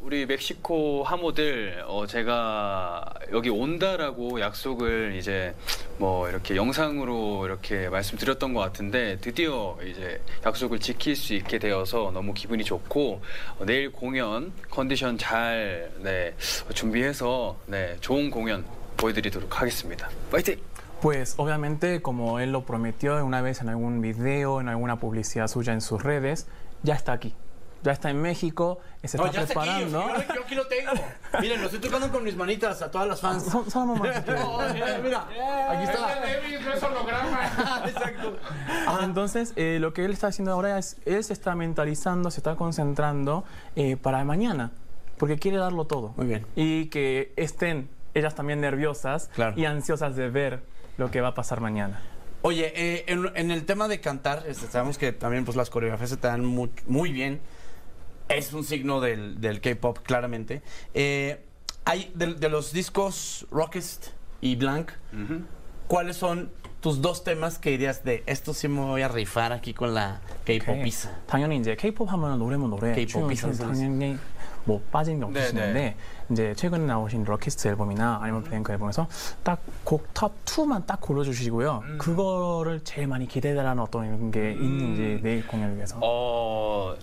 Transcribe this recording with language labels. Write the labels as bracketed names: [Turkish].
[Korean] 우리 멕시코 하모들 제가 여기 온다라고 약속을 이제 뭐 이렇게 영상으로 이렇게 말씀드렸던 것 같은데 드디어 이제 약속을 지킬 수 있게 되어서 너무 기분이 좋고 내일 공연 컨디션 잘 준비해서 좋은 공연 보여드리도록 하겠습니다. 파이팅! [Spanish] Pues obviamente como él lo prometió una vez en algún video, en alguna publicidad suya en sus redes, ya está aquí. Ya está en México, se está preparando. Aquí, yo aquí lo tengo. Miren, lo estoy tocando con mis manitas a todas las fans. Son las mamás. Mira, aquí está. Exacto. Entonces, lo que él está haciendo ahora es, él se está mentalizando, se está concentrando para mañana, porque quiere darlo todo. Muy bien. Y que estén ellas también nerviosas claro. y ansiosas de ver lo que va a pasar mañana. Oye, en el tema de cantar, sabemos que también pues, las coreografías se te dan muy, muy bien. Es un signo del K-pop, claramente. Hay de los discos Rockest y Blank, uh-huh. ¿cuáles son tus dos temas que dirías de esto sí me voy a rifar aquí con la K-popisa? Okay. [Korean] 당연히 이제 K-pop 하면 노래면 노래. [Spanish] K-popisa. [Korean] 당연히 뭐 빠진 게 없으신데 이제 최근에 나오신 럭키스트 앨범이나 아니면 뱅크 앨범에서 딱 곡 탑 2만 딱 골라주시고요. 그거를 제일 많이 기대되는 어떤 게 있는지 내일 공연을 위해서.